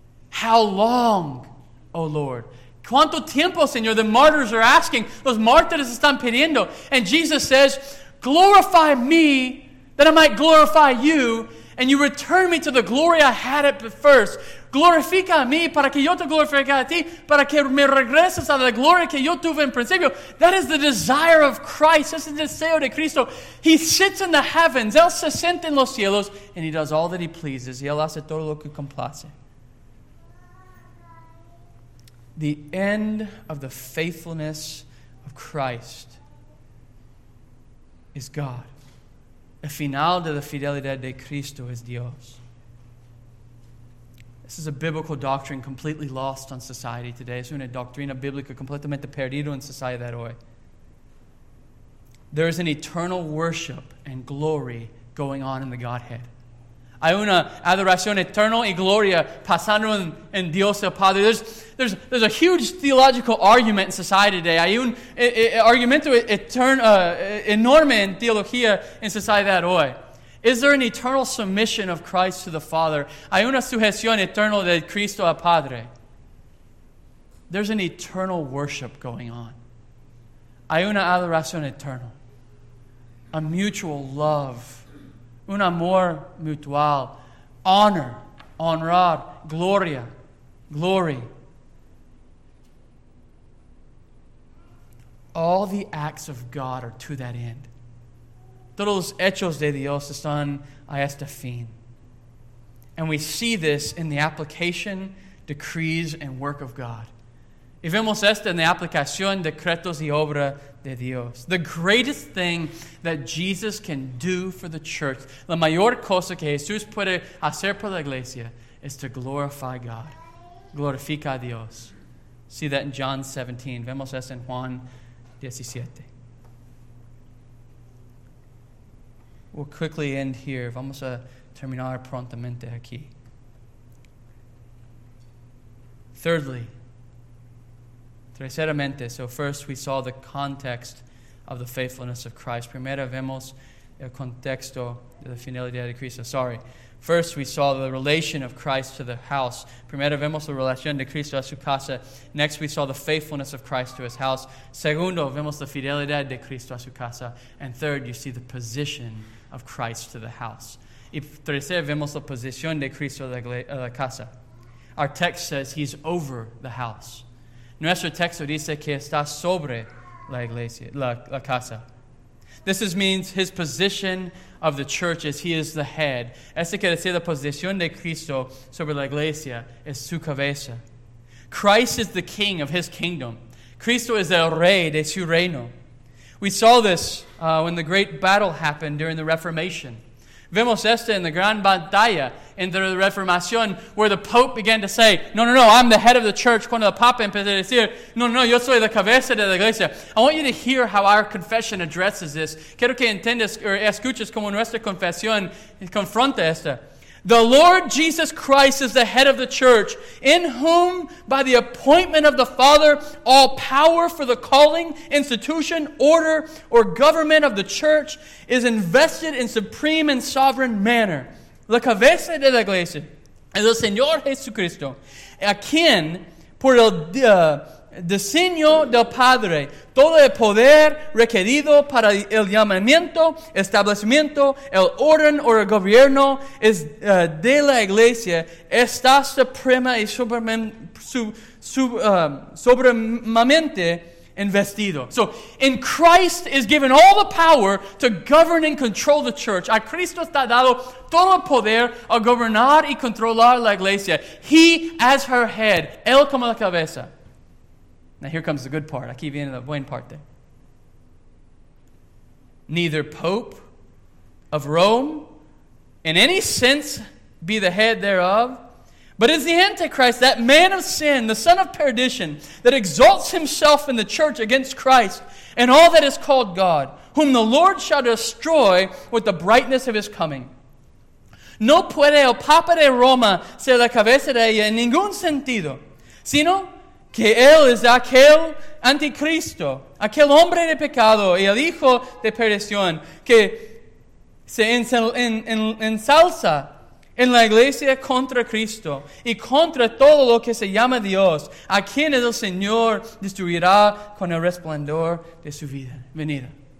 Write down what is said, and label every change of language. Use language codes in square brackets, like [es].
[en] How long, O Lord? [es] ¿Cuánto tiempo, Señor? [en] The martyrs are asking. [es] Los mártires están pidiendo. [en] And Jesus says, glorify me that I might glorify you, and you return me to the glory I had at first. [es] Glorifica a mí para que yo te glorifique a ti, para que me regreses a la gloria que yo tuve en principio. [en] That is the desire of Christ. [es] Es el deseo de Cristo. [en] He sits in the heavens. [es] Él se siente en los cielos, [en] and He does all that He pleases. [es] Y Él hace todo lo que complace. [en] The end of the faithfulness of Christ is God. [es] El final de la fidelidad de Cristo es Dios. [en] This is a biblical doctrine completely lost on society today. [es] Es una doctrina bíblica completamente perdida en sociedad hoy. There is an eternal worship and glory going on in the Godhead. Hay una adoración eterna y gloria pasando en Dios el Padre. [en] There's a huge theological argument in society today. [es] Hay un argumento enorme en teología en sociedad hoy. [en] Is there an eternal submission of Christ to the Father? [es] Hay una sujeción eterna de Cristo al Padre. [en] There's an eternal worship going on. [es] Hay una adoración eterna. [en] A mutual love. [es] Un amor mutual, honor, honrar, gloria, glory. [en] All the acts of God are to that end. [es] Todos los hechos de Dios están a este fin. [en] And we see this in the application, decrees, and work of God. [es] Y vemos esto en la aplicación, decretos y obra de Dios. [en] The greatest thing that Jesus can do for the church, [es] la mayor cosa que Jesús puede hacer por la iglesia, [en] is to glorify God. [es] Glorifica a Dios. [en] See that in John 17. [es] Vemos esto en Juan 17. [en] We'll quickly end here. [es] Vamos a terminar prontamente aquí. [en] Thirdly, [es] terceramente, [en] so first we saw the context of the faithfulness of Christ. [es] Primero vemos el contexto de la fidelidad de Cristo. [en] Sorry. First we saw the relation of Christ to the house. [es] Primero vemos la relación de Cristo a su casa. [en] Next we saw the faithfulness of Christ to His house. [es] Segundo, vemos la fidelidad de Cristo a su casa. [en] And third, you see the position of Christ to the house. [es] Y tercero, vemos la posición de Cristo en la casa. [en] Our text says he's over the house. [es] Nuestro texto dice que está sobre la iglesia, la casa. [en] This means his position of the church is he is the head. [es] Esto quiere decir la posición de Cristo sobre la iglesia es su cabeza. [en] Christ is the king of his kingdom. [es] Cristo es el rey de su reino. [en] We saw this when the great battle happened during the Reformation. [es] Vemos esto en la gran batalla entre la Reformación, [en] where the Pope began to say, no, no, no, I'm the head of the church. [es] Cuando el Papa empezó a decir, no, no, yo soy la cabeza de la iglesia. [en] I want you to hear how our confession addresses this. [es] Quiero que entiendas o escuches cómo nuestra confesión confronta esto. [en] The Lord Jesus Christ is the head of the church, in whom, by the appointment of the Father, all power for the calling, institution, order, or government of the church is invested in supreme and sovereign manner. [es] La cabeza de la iglesia es el Señor Jesucristo, a quien, por el diseño del Padre, todo el poder requerido para el llamamiento, establecimiento, el orden o el gobierno es, de la iglesia está suprema y sobremamente investido. [en] So, in Christ is given all the power to govern and control the church. [es] A Cristo está dado todo el poder a gobernar y controlar la iglesia. [en] He as her head, [es] él como la cabeza. [en] Now here comes the good part. [es] Aquí viene la buena parte. [en] Neither Pope of Rome in any sense be the head thereof, but is the Antichrist, that man of sin, the son of perdition, that exalts himself in the church against Christ and all that is called God, whom the Lord shall destroy with the brightness of his coming. [es] No puede el Papa de Roma ser la cabeza de ella en ningún sentido, sino que él es aquel anticristo, aquel hombre de pecado y el hijo de perdición que se ensalza en la iglesia contra Cristo y contra todo lo que se llama Dios, a quien el Señor destruirá con el resplandor de su venida.